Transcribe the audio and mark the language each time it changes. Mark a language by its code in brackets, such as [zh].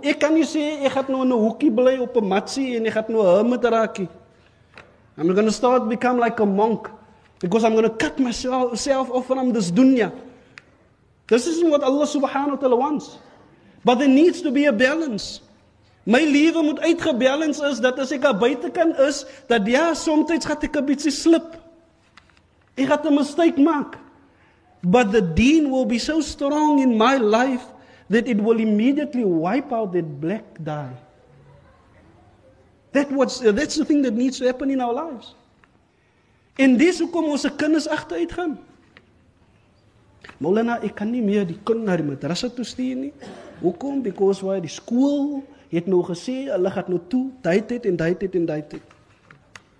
[af] Ek kan nie sê, ek gaat nou in 'n hoekie bly op 'n matsie en ek gaat nou 'n hermit raakie. [en] I'm going to start become like a monk. Because I'm going to cut myself off from this dunya. This isn't what Allah subhanahu wa ta'ala wants. But there needs to be a balance. [af] My lewe moet uitgebalance is, dat as ek aan buitekant is, dat ja, somtyds gaat ek 'n bietjie slip. Ek gaat 'n mistake maak. [en] But the deen will be so strong in my life, that it will immediately wipe out that black dye. That's the thing that needs to happen in our lives. [af] En dis hoekom ons se kinders agteruit gaan. Molina, ek kan nie meer die kind na die madrasa toe stuur nie. Hoekom? [en] Because why? [af] Die skool het nou gesê, hulle gaat nou toe, daai tyd en daai tyd en daai tyd.